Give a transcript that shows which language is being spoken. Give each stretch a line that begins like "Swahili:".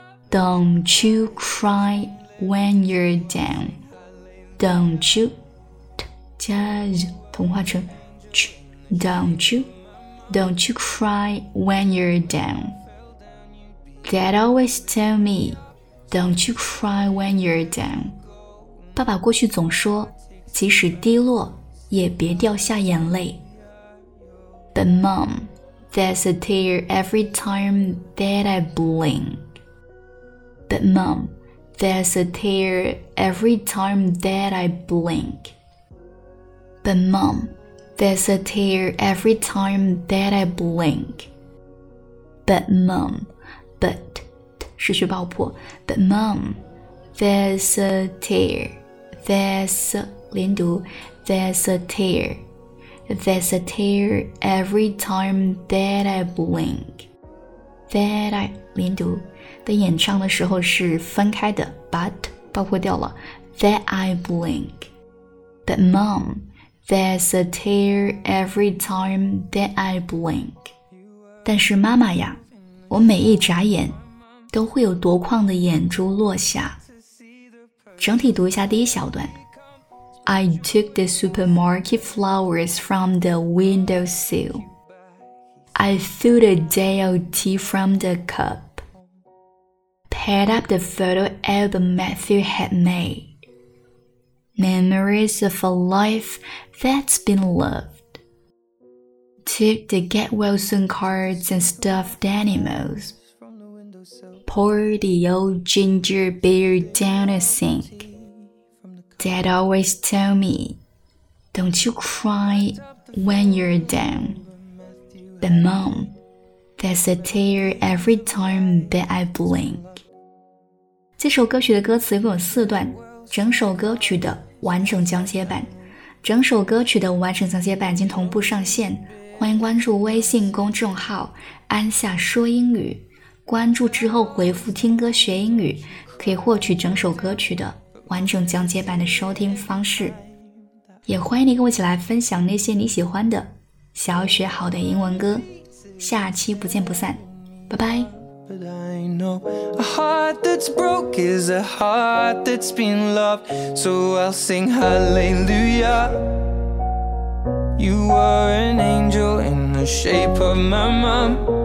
English: Don't you cry when you're down. Don't you, t,
Chinese: 加 z, 同化成 ch,
English: don't you cry when you're down. Dad always tell me, don't you cry when you're down.
Chinese: 爸爸过去总说，即使低落，也别掉下眼泪。
English: But mom,There's a tear every time that I blink. But mom, there's a tear every time that I blink. But mom, there's a tear every time that I blink. But mom, but,
Chinese: 失去爆破
English: But mom, there's a tear, there's a,
Chinese: 连读
English: there's a tear. There's a tear every time that I blink. That I,
Chinese: 连读的演唱的时候是分开的 but, 包括掉了
English: that I blink. But mom, there's a tear every time that I blink.
Chinese: 但是妈妈呀我每一眨眼都会有夺眶的眼珠落下。整体读一下第一小段。
English: I took the supermarket flowers from the windowsill. I threw the day-old tea from the cup. Paired up the photo album Matthew had made. Memories of a life that's been lived. Took the get well soon cards and stuffed animals. Poured the old ginger beer down a sink. Dad always tell me, don't you cry when you're down. But mom, there's a tear every time that I blink.
Chinese: 这首歌曲的歌词共有四段，整首歌曲的完整讲解版。整首歌曲的完整讲解版已经同步上线，欢迎关注微信公众号安夏说英语。关注之后回复听歌学英语，可以获取整首歌曲的完整讲解版的收听方式，也欢迎你跟我一起来分享那些你喜欢的想要学好的英文歌。下期不见不散，拜拜。
English: But I know a heart that's broke is a heart that's been loved, so I'll sing hallelujah. You are an angel in the shape of my mom.